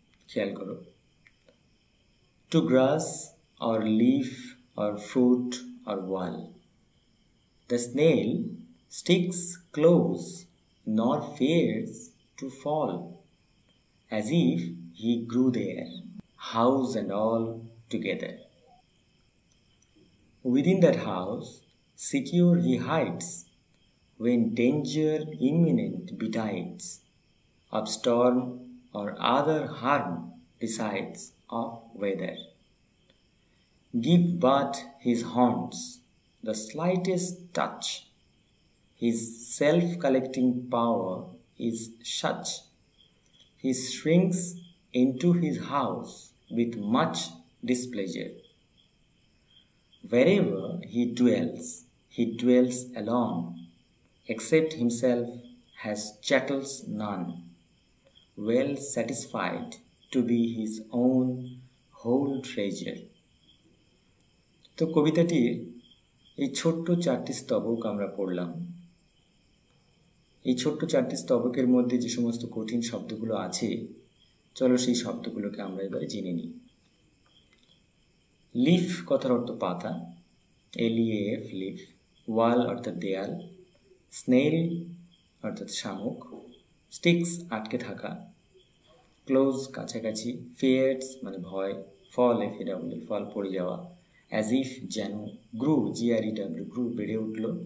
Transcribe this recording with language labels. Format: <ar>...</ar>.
<en>খেয়াল করো, to grass or leaf or fruit or wall, the snail sticks close nor fears to fall as if He grew there, house and all together. Within that house, secure he hides, when danger imminent betides, of storm or other harm decides of weather. Give but his haunts the slightest touch, his self-collecting power is such, he shrinks into his house with much displeasure. Wherever he dwells alone, except himself, has chattels none, well satisfied to be his own whole treasure.</en> <bn>তো কবিতাটির এই ছোট্ট চারটি স্তবক আমরা পড়লাম। এই ছোট্ট চারটি স্তবকের মধ্যে যে সমস্ত কঠিন শব্দগুলো আছে, চলো সেই শব্দগুলোকে আমরা এবারে জেনে নিই। লিফ কথার অর্থ পাতা, LEAF লিফ, ওয়াল অর্থাৎ দেয়াল, স্নেল অর্থাৎ শামুক, স্টিক্স আটকে থাকা, ক্লোজ কাছাকাছি, ফিয়ার্স মানে ভয়, ফল FEW ফল পড়ে যাওয়া, অ্যাজ ইফ যেন, গ্রু GREW গ্রু বেড়ে উঠল,</bn>